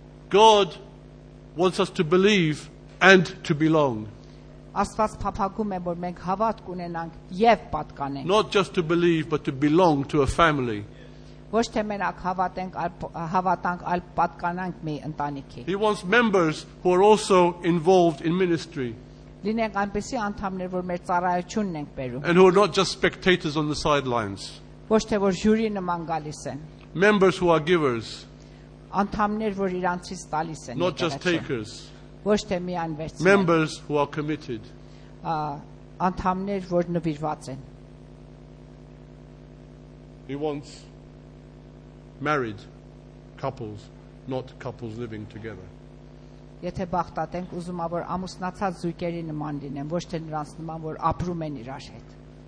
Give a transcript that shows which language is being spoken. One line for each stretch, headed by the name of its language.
English: God wants us to believe and to belong.
Armenian: Աստված փափագում է, որ մենք հավատք ունենանք եւ պատկանենք.
English: Not just to believe but to belong to a family.
Armenian: Ոչ թե մենակ հավատանք, այլ պատկանանք մի ընտանիքի.
English: He wants members who are also involved in ministry.
Armenian: Լինենք այնպիսի անդամներ, որ մեր ծառայությունն ենք բերում.
English: And who are not just spectators on the sidelines.
Armenian: Ոչ թե որ հյուրի նման գալիս են.
English: Members who are givers.
Armenian: Անդամներ, որ իրանցից տալիս են.
English: Not just takers.
Armenian: Ոչ թե մի անվերծ։
English: Members who are committed.
Armenian: Անդամներ, որ նվիրված են։
English: He wants married couples, not couples living together.
Armenian: Եթե բախտատենք, ուզում ա որ ամուսնացած զույգերի նման լինեմ, ոչ թե նրանց նման, որ ապրում են իրար հետ։